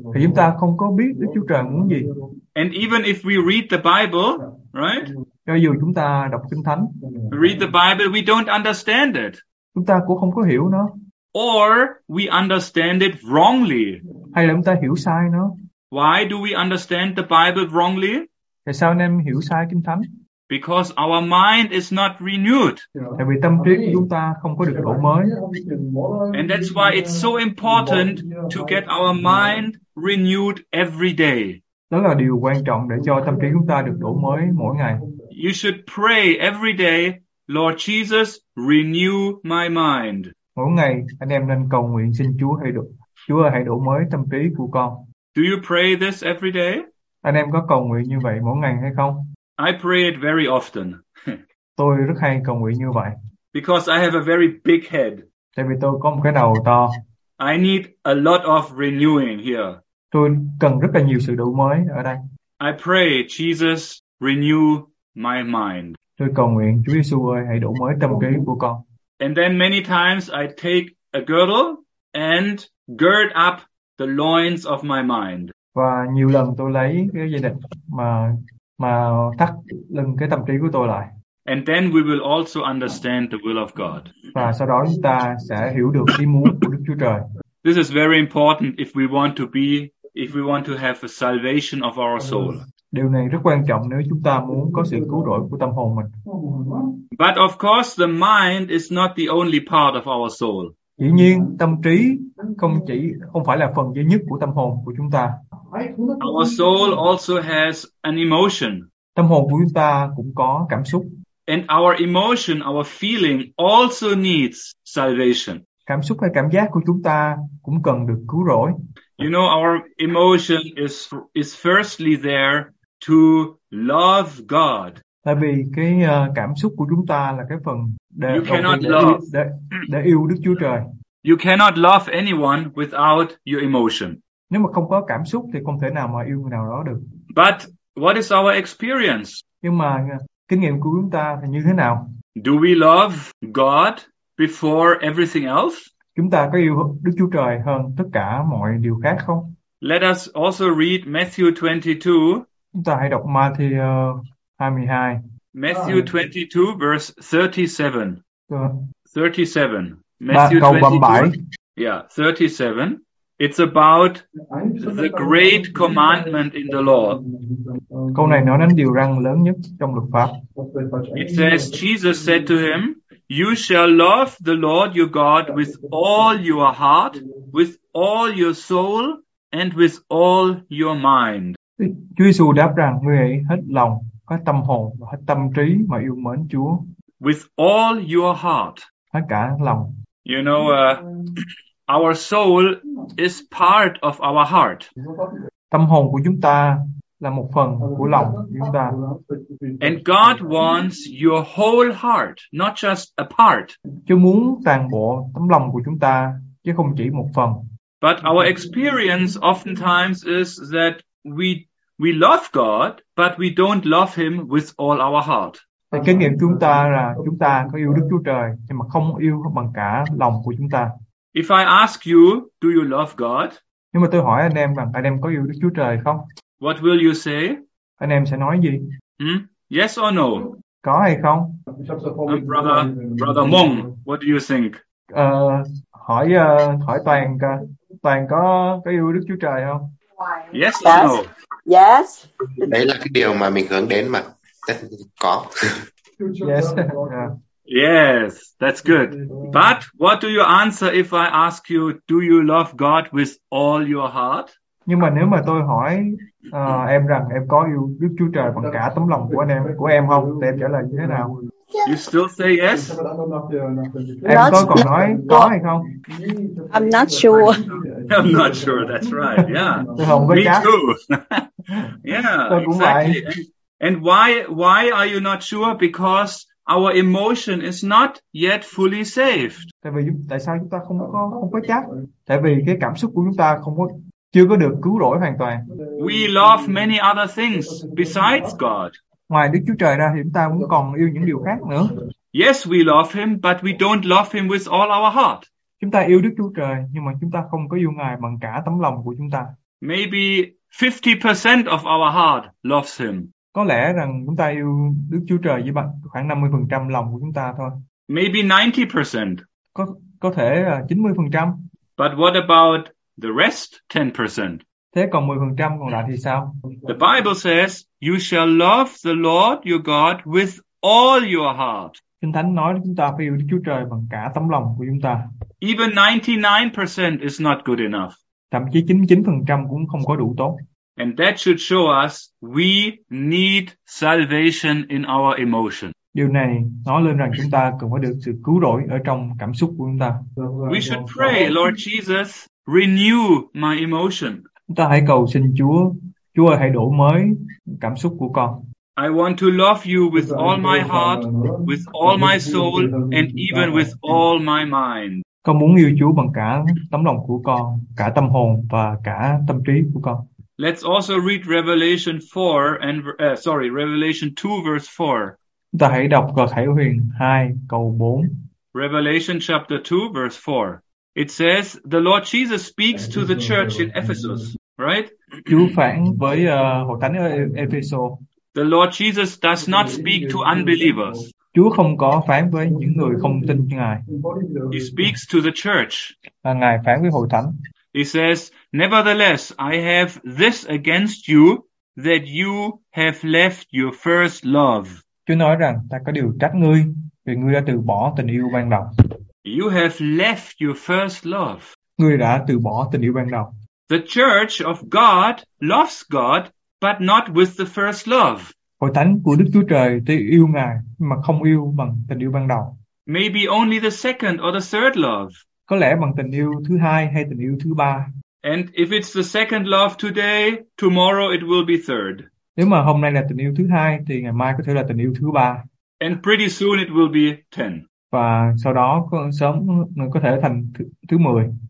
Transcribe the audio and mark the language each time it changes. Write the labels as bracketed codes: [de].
[vi] Thì chúng ta không có biết Đức Chúa Trời muốn gì. [en] And even if we read the Bible, right? [vi] Cho dù chúng ta đọc Kinh Thánh, [en] read the Bible, we don't understand it. [vi] Chúng ta cũng không có hiểu nó. [en] Or we understand it wrongly. [vi] Hay là chúng ta hiểu sai nó. [en] Why do we understand the Bible wrongly? [vi] Tại sao anh em hiểu sai Kinh Thánh? [en] Because our mind is not renewed. [vi] Tại vì tâm trí của chúng ta không có được đổi mới. [en] And that's why it's so important to get our mind renewed every day. [vi] Đó là điều quan trọng để cho tâm trí chúng ta được đổi mới mỗi ngày. [en] You should pray every day, Lord Jesus, renew my mind. [vi] Mỗi ngày anh em nên cầu nguyện xin Chúa hãy đổi, Chúa hãy đổi mới tâm trí của con. [en] Do you pray this every day? [vi] Anh em có cầu nguyện như vậy mỗi ngày hay không? [en] I pray it very often. [vi] Tôi rất hay cầu nguyện như vậy. [en] Because I have a very big head. [vi] Tại vì tôi có một cái đầu to. [en] I need a lot of renewing here. [vi] Tôi cần rất là nhiều sự đổi mới ở đây. [en] I pray, Jesus, renew my mind. [vi] Tôi cầu nguyện Chúa Giêsu ơi hãy đổi mới tâm trí của con. [en] And then many times I take a girdle and gird up the loins of my mind. [vi] Và nhiều lần tôi lấy cái dây nịt mà thắt lưng cái tâm trí của tôi lại. [en] And then we will also understand the will of God. [vi] Và sau đó chúng ta sẽ hiểu được ý muốn của Đức Chúa Trời. [en] This is very important if we want to be if we want to have a salvation of our soul. [vi] Điều này rất quan trọng nếu chúng ta muốn có sự cứu rỗi của tâm hồn mình. [en] But of course, the mind is not the only part of our soul. [vi] Dĩ nhiên, tâm trí không phải là phần duy nhất của tâm hồn của chúng ta. [en] Our soul also has an emotion. [vi] Tâm hồn của chúng ta cũng có cảm xúc. [en] And our emotion, our feeling also needs salvation. [vi] Cảm xúc hay cảm giác của chúng ta cũng cần được cứu rỗi. [en] You know, our emotion is firstly there to love God. [vi] Tại vì cái cảm xúc của chúng ta là cái phần để yêu Đức Chúa Trời. [en] You cannot love anyone without your emotion. [vi] Nếu mà không có cảm xúc thì không thể nào mà yêu người nào đó được. [en] But what is our experience? [vi] Nhưng mà kinh nghiệm của chúng ta là như thế nào? [en] Do we love God before everything else? [vi] Chúng ta có yêu Đức Chúa Trời hơn tất cả mọi điều khác không? [en] Let us also read Matthew 22. [vi] Chúng ta hãy đọc Matthew 22. [en] Matthew 22 verse 37. 37. Matthew 22. Yeah, 37. It's about the great commandment in the law. [vi] Câu này nói đến điều răn lớn nhất trong luật pháp. [en] It says Jesus said to him, "You shall love the Lord your God with all your heart, with all your soul, and with all your mind." [vi] Chúa Giêsu đáp rằng ngươi hãy hết lòng, có tâm hồn và hết tâm trí mà yêu mến Chúa. [en] With all your heart. [vi] Hết cả lòng. [en] You know, our soul is part of our heart. [vi] Tâm hồn của chúng ta là một phần của lòng chúng ta. [en] And God wants your whole heart, not just a part. [vi] Chúa muốn toàn bộ tâm lòng của chúng ta chứ không chỉ một phần. [en] But our experience oftentimes is that we love God, but we don't love him with all our heart. [vi] Thì kinh nghiệm chúng ta là chúng ta có yêu Đức Chúa Trời nhưng mà không yêu bằng cả lòng của chúng ta. [en] If I ask you, do you love God? [vi] Nhưng mà tôi hỏi anh em rằng anh em có yêu Đức Chúa Trời không? [en] What will you say? [vi] Anh em sẽ nói gì? [en] Yes or no? [vi] Có hay không? [en] Brother Mong, what do you think? [vi] Hỏi Toàn cơ. Toàn có yêu Đức Chúa Trời không? [en] Yes or no? Yes. [vi] Đấy là cái điều mà mình hướng đến mà. Có. [en] Yes. Yes, that's good. But what do you answer if I ask you, do you love God with all your heart? [vi] Nhưng mà nếu mà tôi hỏi em rằng em có yêu Đức Chúa Trời bằng cả tấm lòng của em không, thì em trả lời như thế nào? [en] You still say yes? [vi] Em có còn nói có hay không? [en] I'm not sure. I'm not sure, that's right, yeah. [vi] Không, [en] me [vi] chắc. [en] Too. Yeah, [vi] tôi cũng [en] exactly. [vi] Vậy. [en] And why are you not sure? Because our emotion is not yet fully saved. [vi] Tại sao chúng ta không có chắc? Tại vì cái cảm xúc của chúng ta chưa có được cứu rỗi hoàn toàn. [en] We love many other things besides God. [vi] Ngoài Đức Chúa Trời ra thì chúng ta cũng còn yêu những điều khác nữa. [en] Yes, we love him, but we don't love him with all our heart. [vi] Chúng ta yêu Đức Chúa Trời nhưng mà chúng ta không có yêu Ngài bằng cả tấm lòng của chúng ta. [en] Maybe 50% of our heart loves him. [vi] Có lẽ rằng chúng ta yêu Đức Chúa Trời với bạn khoảng 50% lòng của chúng ta thôi. [en] Maybe 90%. [vi] Có thể là 90%. [en] But what about the rest 10%? [vi] Thế còn 10% còn lại thì sao? [en] The Bible says, you shall love the Lord your God with all your heart. [vi] Kinh Thánh nói chúng ta phải yêu Đức Chúa Trời bằng cả tấm lòng của chúng ta. [en] Even 99% is not good enough. [vi] Thậm chí 99% cũng không có đủ tốt. [en] And that should show us we need salvation in our emotion. [vi] Điều này nói lên rằng chúng ta cần phải được sự cứu rỗi ở trong cảm xúc của chúng ta. [en] We should pray, Lord Jesus, renew my emotion. [vi] Chúng ta hãy cầu xin Chúa ơi, hãy đổ mới cảm xúc của con. [en] I want to love you with all my heart, with all my soul, and even with all my mind. [vi] Con muốn yêu Chúa bằng cả tấm lòng của con, cả tâm hồn và cả tâm trí của con. [en] Let's also read Revelation 4 and Revelation 2 verse 4. [vi] Ta hãy đọc Khải Huyền 2 câu 4. [en] Revelation chapter 2 verse 4. It says the Lord Jesus speaks to the church in Ephesus, right? [vi] Chúa phán với hội thánh ở Ephesus. [en] The Lord Jesus does not speak to unbelievers. [vi] Chúa không có phán với những người không tin Ngài. [en] He speaks to the church. [vi] Ngài phán với hội thánh. [en] He says, nevertheless, I have this against you, that you have left your first love. [vi] Chúa nói rằng ta có điều trách ngươi vì ngươi đã từ bỏ tình yêu ban đầu. [en] You have left your first love. [vi] Ngươi đã từ bỏ tình yêu ban đầu. [en] The church of God loves God, but not with the first love. [vi] Hội thánh của Đức Chúa Trời thì yêu Ngài mà không yêu bằng tình yêu ban đầu. [en] Maybe only the second or the third love. [vi] Có lẽ bằng tình yêu thứ hai hay tình yêu thứ ba. [en] And if it's the second love today, tomorrow it will be third. [vi] Nếu mà hôm nay là tình yêu thứ hai thì ngày mai có thể là tình yêu thứ ba. [en] And pretty soon it will be 10. [vi] Và sau đó sớm có thể thành thứ 10.